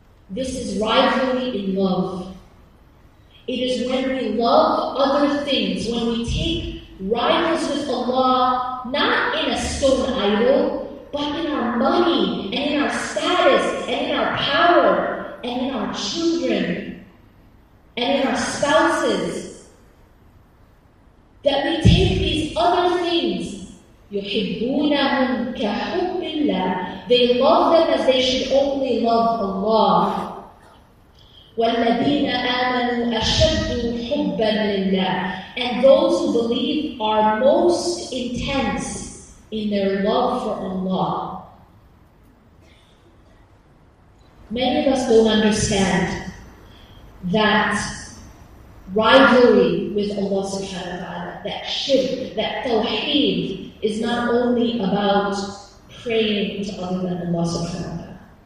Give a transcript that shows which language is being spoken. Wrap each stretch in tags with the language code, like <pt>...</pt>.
<en>This is rivalry in love. It is when we love other things, when we take rivals with Allah, not in a stone idol, but in our money, and in our status, and in our power, and in our children, and in our spouses, that we take these other things</en> <ar>يحبونهم كحب الله.</ar> <en>They love them as they should only love Allah.</en> <ar>والذين آمنوا أشد حبا لله.</ar> <en>And those who believe are most intense in their love for Allah. Many of us don't understand that rivalry with Allah subhanahu wa ta'ala, that shirk, that tawheed, is not only about praying to other than Allah subhanahu wa ta'ala.</en>